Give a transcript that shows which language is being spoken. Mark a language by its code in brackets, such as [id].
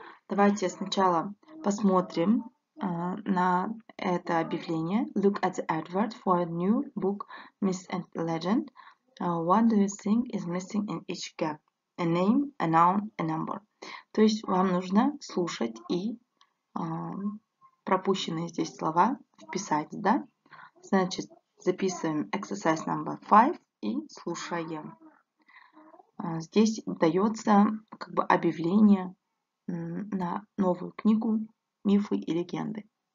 [ru] Давайте сначала посмотрим на это объявление. [en] Look at the advert for a new book, Myth and Legend. What do you think is missing in each gap? A name, a noun, a number. [ru] То есть вам нужно слушать и пропущенные здесь слова вписать, да? Значит, записываем [en] exercise number 5 [ru] и слушаем. Здесь дается как бы объявление на новую книгу «Мифы и легенды».